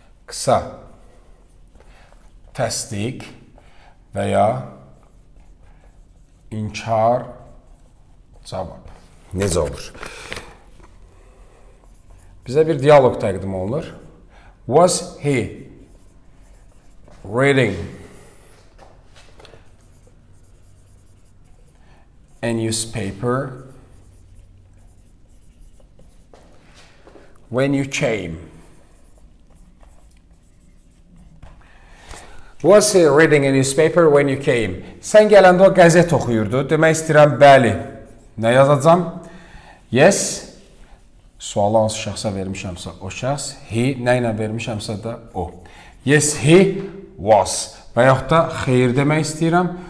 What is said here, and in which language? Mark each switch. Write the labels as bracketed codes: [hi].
[az] Qısa təsdiq və ya inkar cavab. Necə olur? Bizə bir dialoq təqdim olunur. [en] Was he reading a newspaper when you came? Was he reading a newspaper when you came? [az] Sən gələndə o qəzet oxuyurdu. Demək istəyirəm, bəli. Nə yazacağım? [en] Yes. [az] Sualı hansı şəxsə vermişəmsə o şəxs. He nə ilə vermişəmsə də o. [en] Yes, he was. [az] Və yaxud da xeyir demək istəyirəm.